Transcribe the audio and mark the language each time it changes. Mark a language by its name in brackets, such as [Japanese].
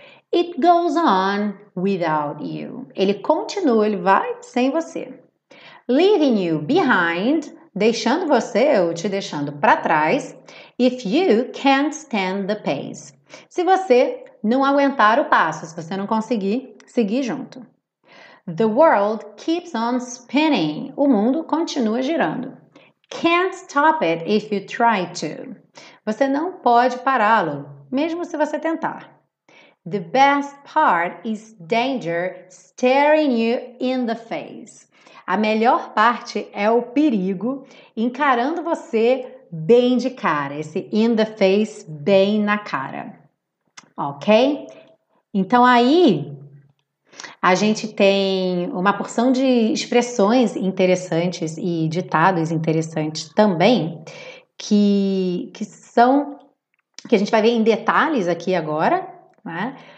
[English] It goes on without you. [Portuguese] Ele continua, ele vai sem você. [English] Leaving you behind, [Portuguese] deixando você ou te deixando para trás, [English] if you can't stand the pace. [Portuguese] Se você não aguentar o passo, se você não conseguir seguir junto. [English] The world keeps on spinning. [Portuguese] O mundo continua girando. [English] Can't stop it if you try to. [Portuguese] Você não pode pará-lo, mesmo se você tentar. [English] The best part is danger staring you in the face. [Portuguese] A melhor parte é o perigo encarando você bem de cara. Esse [English] in the face, [Portuguese] bem na cara. Ok? Então aí, a gente tem uma porção de expressões interessantes e ditados interessantes também, que a gente vai ver em detalhes aqui agora, né?